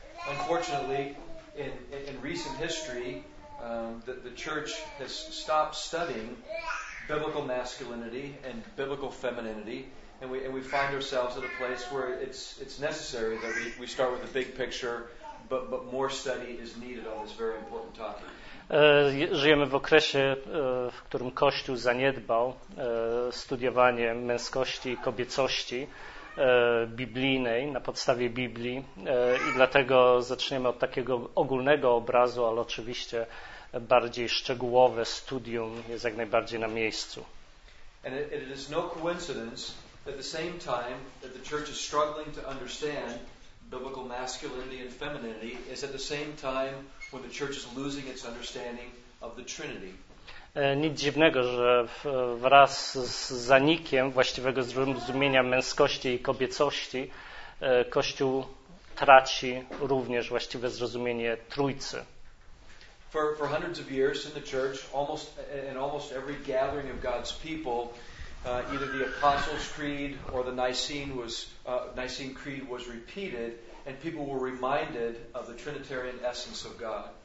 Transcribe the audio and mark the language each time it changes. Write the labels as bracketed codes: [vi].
[en] Unfortunately, In recent history, the church has stopped studying biblical masculinity and biblical femininity, and we find ourselves at a place where it's necessary that we start with the big picture, but more study is needed on this very important topic. [pl] Żyjemy w okresie, w którym Kościół zaniedbał studiowanie męskości i kobiecości biblijnej, na podstawie Biblii, i dlatego zaczniemy od takiego ogólnego obrazu, ale oczywiście bardziej szczegółowe studium jest jak najbardziej na miejscu. [en] And it is no coincidence that the same time that the church is struggling to understand biblical masculinity and femininity is at the same time when the church is losing its understanding of the Trinity. [pl] Nic dziwnego, że wraz z zanikiem właściwego zrozumienia męskości i kobiecości Kościół traci również właściwe zrozumienie Trójcy. [en] For hundreds of years in the church, almost every gathering of God's people, either the Apostles' Creed or the Nicene Creed was repeated, and people were reminded of the Trinitarian essence of God.